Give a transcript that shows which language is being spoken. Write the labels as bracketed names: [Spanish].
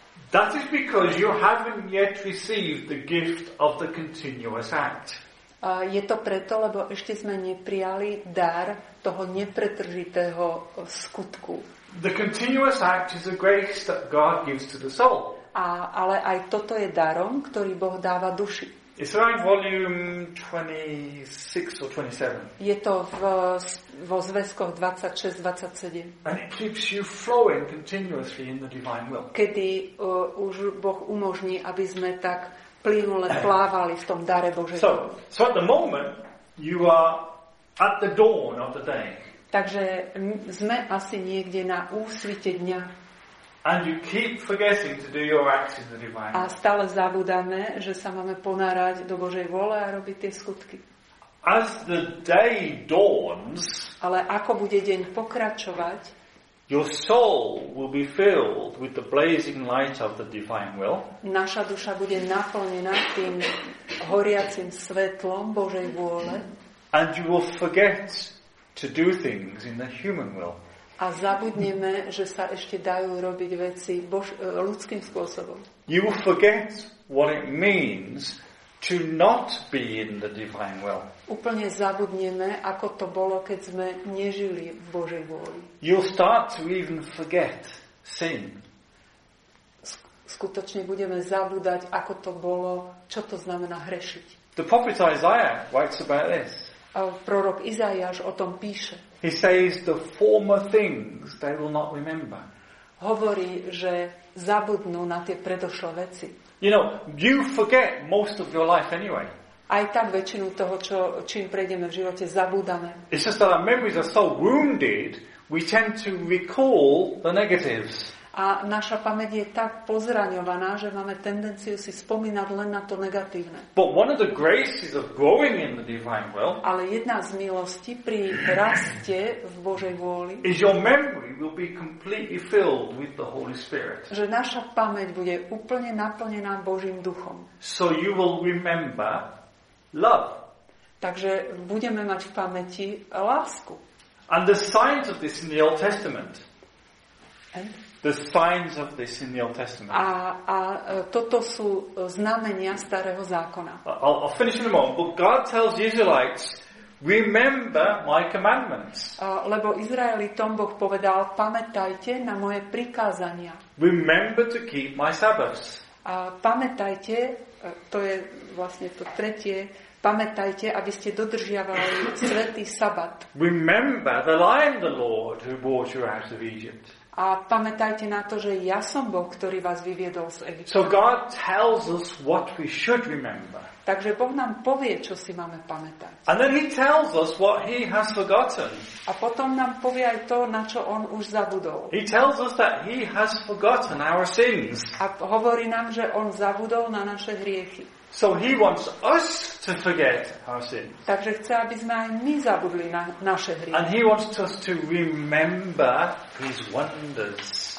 [English] That is because you haven't yet received the gift of the continuous act. [Slovak] Je to preto, lebo ešte sme neprijali dar toho nepretržitého skutku. [English] The continuous act is a grace that God gives to the soul. [Slovak] Ale aj toto je darom, ktorý Boh dáva duši. [English] It's around volume 26 or 27. [Slovak] Je to vo zväzkoch 26, 27. [English] And it keeps you flowing continuously in the divine will. [Slovak] Kedy už Boh umožní, aby sme tak plynule plávali v tom dare Božej. [English] So at the moment you are at the dawn of the day. [Slovak] Takže sme asi niekde na úsvite dňa. [English] And you keep forgetting to do your acts in the divine. [Slovak] A stále zabudáme, že sa máme ponárať do Božej vôle a robiť tie skutky. [English] As the day dawns, [Slovak] ale ako bude deň pokračovať, [English] your soul will be filled with the blazing light of the divine will. [Slovak] Naša duša bude naplnená tým horiacim svetlom Božej vôle. [English] And you will forget to do things in the human will. [Slovak] A zabudneme, že sa ešte dajú robiť veci ľudským spôsobom. [English] You will forget what it means to not be in the divine will. [Slovak] Úplne zabudneme, ako to bolo, keď sme nežili v Božej vôli. [English] You'll start to even forget sin. [Slovak] Skutočne budeme zabúdať, ako to bolo, čo to znamená hrešiť. [English] The prophet Isaiah writes about this. [Slovak] A prorok Izaiáš o tom píše. [English] He says the former things they will not remember. [Slovak] Hovorí, že zabudnú na tie predošlé veci. [English] You know, you forget most of your life anyway. [Slovak] Aj tak väčšinu toho, čím prejdeme v živote, zabúdame. [English] It's just that our memories are so wounded, we tend to recall the negatives. [Slovak] A naša pamäť je tak pozraňovaná, že máme tendenciu si spomínať len na to negatívne. [English] But one of the graces of growing in the divine will, [Slovak] ale jedna z milostí pri raste v Božej vôli, [English] is your memory will be completely filled with the Holy Spirit. [Slovak] Že naša pamäť bude úplne naplnená Božím duchom. [English] So you will remember love. [Slovak] Takže budeme mať v pamäti lásku. [English] And the signs of this in the Old Testament. The signs of this in the Old Testament. [Slovak] A toto sú znamenia starého zákona. [English] I'll finish in a moment, but God tells the Israelites, remember my commandments. [Slovak] Lebo Izraelitom Boh povedal, pamätajte na moje prikázania. [English] Remember to keep my Sabbaths. [Slovak] A pamätajte, to je vlastne to tretie, pamätajte, aby ste dodržiavali svätý sabat. [English] Remember that I am the Lord who brought you out of Egypt. [Slovak] A pamätajte na to, že ja som Boh, ktorý vás vyviedol z Egypta. [English] So God tells us what we should remember. [Slovak] Takže Boh nám povie, čo si máme pamätať. [English] And then he tells us what he has forgotten. [Slovak] A potom nám povie aj to, na čo on už zabudol. [English] He tells us that he has forgotten our sins. [Slovak] A hovorí nám, že on zabudol na naše hriechy. [English] So he wants us to forget our sins. [Slovak] Takže chce, aby sme aj my zabudli na naše hriechy. [English] And he wants us to remember his wonders.